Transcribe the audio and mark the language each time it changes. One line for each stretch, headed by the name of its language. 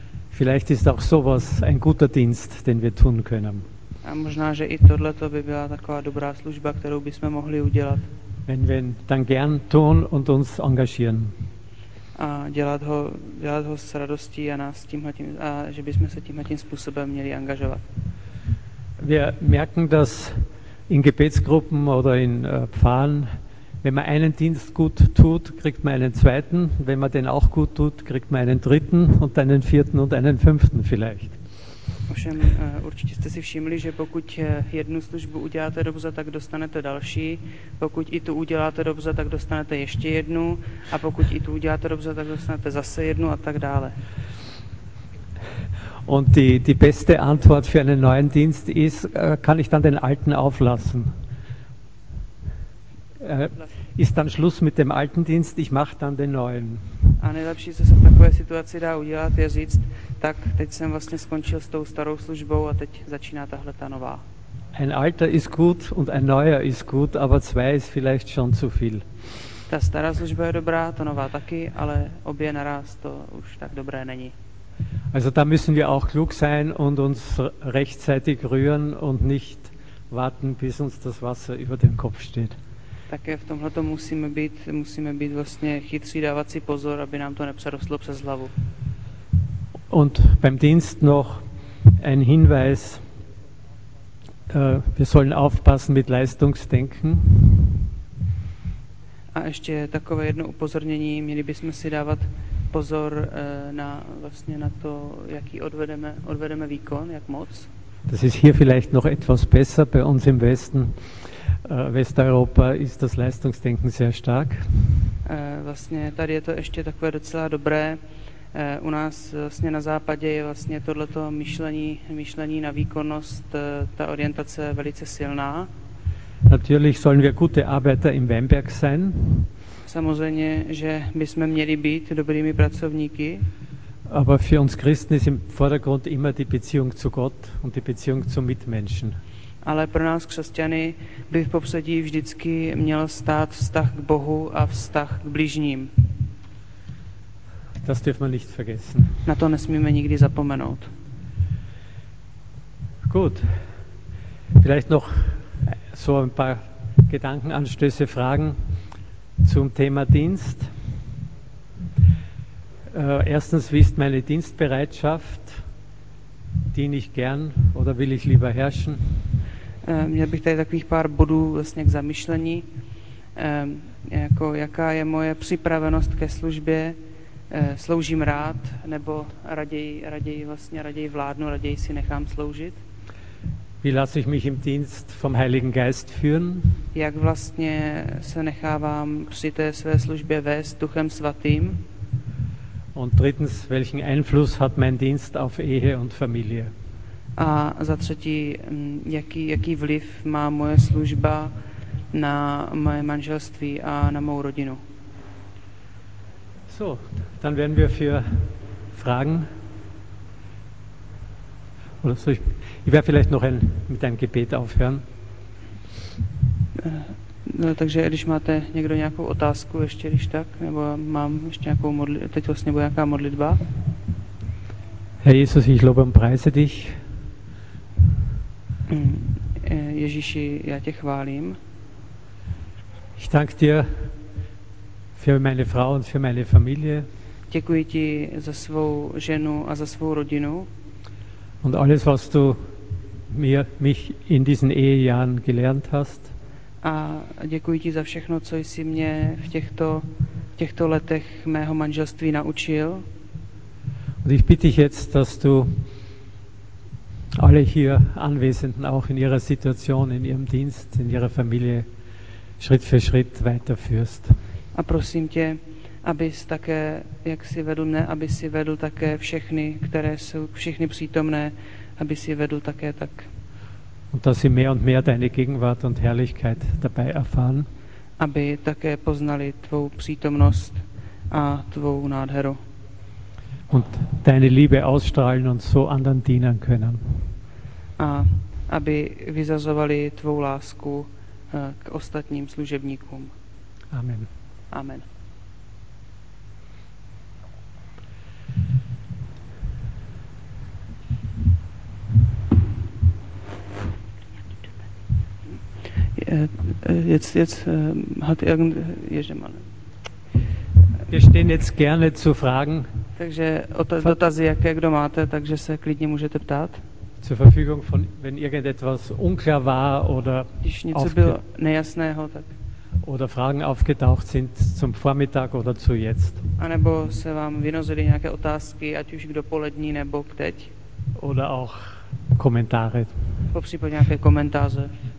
German: Vielleicht ist auch sowas ein guter Dienst, den wir tun können.
Czech: A možná, že i tohle to by byla taková dobrá služba, kterou bychom mohli udělat.
German: Wenn wir dann gern tun und uns engagieren.
Czech: A dělat ho s radostí a nás tímhletím, a že bychom se tímhletím způsobem měli angažovat.
German: Wir merken, dass in Gebetsgruppen oder in Pfarren, wenn man einen Dienst gut tut, kriegt man einen zweiten, wenn man den auch gut tut, kriegt man einen dritten und einen vierten und einen fünften vielleicht.
Czech: Ovšem, určitě jste si všimli, že pokud jednu službu uděláte dobře, tak dostanete další, pokud i tu uděláte dobře, tak dostanete ještě jednu a pokud i tu uděláte dobře, tak dostanete zase jednu a tak dále.
German: Und die beste Antwort für einen neuen Dienst ist, kann ich dann den alten auflassen? Ist dann Schluss mit dem alten Dienst, ich mache dann den neuen.
Czech: A nejlepší, co se v takové situaci dá udělat, je říct, tak teď jsem vlastně skončil s tou starou službou a teď začíná tahle ta nová.
German: Ein alter ist gut und ein neuer ist gut, aber zwei ist vielleicht schon zu viel.
Czech: Ta stará služba je dobrá, ta nová taky, ale obě naraz to už tak dobré není.
German: Also da müssen wir auch klug sein und uns rechtzeitig rühren und nicht warten, bis uns das Wasser über dem Kopf steht.
Czech: Také v tomhle to musíme být vlastně chytří, dávat si pozor, aby nám to nepřerostlo přes hlavu.
German: Und beim Dienst noch ein Hinweis. Wir sollen aufpassen mit Leistungsdenken.
Czech: A ještě takové jedno upozornění, měli bychom si dávat pozor na vlastně na to, jaký odvedeme výkon, jak moc.
German: Das ist hier vielleicht noch etwas besser bei uns im Westen. Westeuropa ist das Leistungsdenken sehr stark.
Czech: Vlastně tady je to ještě takové docela dobré. U nás vlastně na západě je vlastně tohleto myšlení na výkonnost, ta orientace velice silná.
German: Natürlich sollen wir gute Arbeiter im Weinberg sein.
Czech: Samozřejmě, že bychom měli být dobrými pracovníky.
German: Aber für uns Christen ist im Vordergrund immer die Beziehung zu Gott und die Beziehung zu Mitmenschen.
Czech: Ale pro nás křesťany by v popředí vždycky měl stát vztah k Bohu a vztah k bližním.
German: Das dürfen wir nicht vergessen.
Czech: Na to nesmíme nikdy zapomenout.
German: Gut. Vielleicht noch so ein paar Gedankenanstöße, Fragen zum Thema Dienst. Erstens, wie ist meine Dienstbereitschaft? Diene ich gern oder will ich lieber herrschen?
Czech: Měl bych tady takových pár bodů vlastně k zamyšlení. Jako jaká je moje připravenost ke službě? Sloužím rád nebo raději vládnu, raději si nechám sloužit?
German: Wie lasse ich mich im Dienst vom Heiligen Geist führen?
Czech: Jak vlastně se nechávám při té své službě vést Duchem Svatým?
German: Und drittens, welchen Einfluss hat mein Dienst auf Ehe und Familie?
Czech: A za třetí, jaký vliv má moje služba na moje manželství a na mou rodinu?
German: So, dann werden wir für Fragen. Oder soll ich werde vielleicht noch mit einem Gebet aufhören.
Czech: No, takže když máte někdo nějakou otázku, ještě když tak, nebo mám ještě nějakou teď vlastně bude nějaká modlitba.
German: Herr Jesus, ich lobe und preise dich.
Czech: Ježíši, já tě chválím.
German: Ich danke dir für meine Frau und für meine Familie.
Czech: Děkuji ti za svou ženu a za svou rodinu.
German: Und alles, was du mich in diesen Ehejahren gelernt hast.
Czech: A děkuji ti za všechno, co jsi mě v těchto letech mého manželství naučil.
German: Und ich bitte dich jetzt, dass du alle hier Anwesenden auch in ihrer Situation, in ihrem Dienst, in ihrer Familie Schritt für Schritt weiterführst.
Czech: A prosím tě, abys také, jak jsi vedl mne, aby jsi vedl také všechny, které jsou všechny přítomné, aby jsi vedl také tak.
German: Und dass sie mehr und mehr deine Gegenwart und Herrlichkeit dabei erfahren.
Czech: Aby také poznali tvou přítomnost a tvou nádheru.
German: Und deine Liebe ausstrahlen und so anderen dienen können.
Czech: A aby vyzazovali tvou lásku k ostatním služebníkům.
German: Amen.
Czech: Amen.
German: Jetzt hat wir stehen jetzt gerne zu Fragen.
Czech: Takže dotazy, jaké kdo máte, takže se klidně můžete ptát.
German: Zur Verfügung von wenn irgendetwas unklar war oder
Czech: když něco bylo nejasného, tak
German: oder Fragen aufgetaucht sind zum Vormittag oder zu jetzt.
Czech: A nebo se vám vynozily nějaké otázky, ať už k dopolední nebo k teď.
German: Oder auch Kommentare.
Czech: Popřípadě nějaké komentáře.